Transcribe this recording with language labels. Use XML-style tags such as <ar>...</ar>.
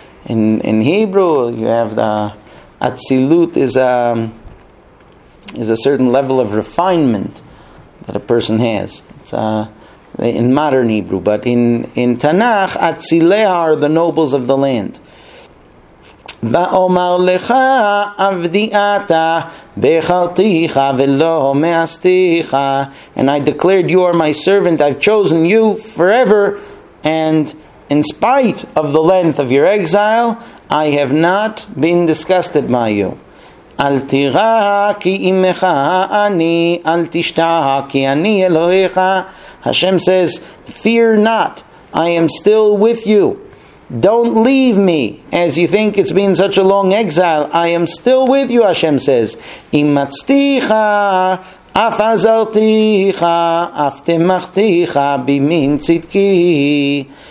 <en>In Hebrew, you have the atzilut is a certain level of refinement that a person has. It's in modern Hebrew, but in Tanakh, atzileh are the nobles of the land.</en> <he>ואומר לך עבדי אתה בחרתיך ולא מאסתיך.</he> <en>And I declared you are my servant, I've chosen you forever, and in spite of the length of your exile, I have not been disgusted by you.</en> <he>אל תירא כי אימך אני, אל תשתה כי אני אלוהיך.</he> <en>Hashem says, fear not, I am still with you. Don't leave me, as you think it's been such a long exile. I am still with you, Hashem says.</en> <he>Imatzticha, afazarticha, aftemachticha, bimin tzidki.</he>